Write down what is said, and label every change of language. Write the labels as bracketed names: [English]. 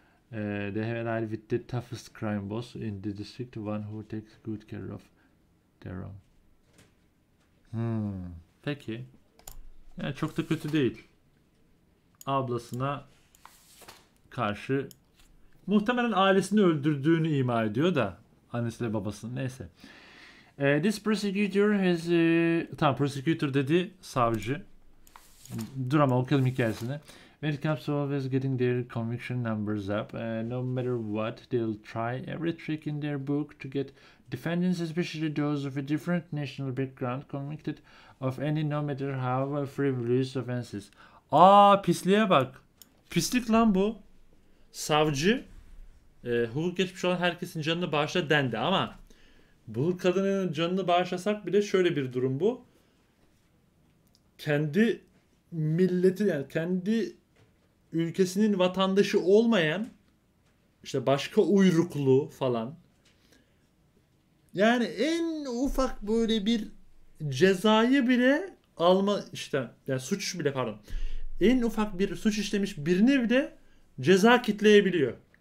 [English] They have an ally with the toughest crime boss in the district. One who takes good care of their own. [Turkish] Peki. Yani çok da kötü değil. Ablasına karşı muhtemelen ailesini öldürdüğünü ima ediyor da. Annesiyle babasının. Neyse. [English] This prosecutor has... [Turkish] tamam, prosecutor dedi. Savcı. Dur ama okuyalım hikayesini. [English] When it comes to always getting their conviction numbers up, no matter what, they'll try every trick in their book to get defendants, especially those of a different national background, convicted of any, no matter how frivolous offenses. [Turkish] Aa, pisliğe bak. Pislik lan bu. Savcı, hukuk geçmiş olan herkesin canını bağışla dendi ama bu kadının canını bağışlasak bile şöyle bir durum bu. Kendi milleti, yani kendi ülkesinin vatandaşı olmayan, işte başka uyruklu falan, yani en ufak böyle bir cezayı bile alma, işte yani suç bile, pardon, en ufak bir suç işlemiş birini bile ceza kitleyebiliyor.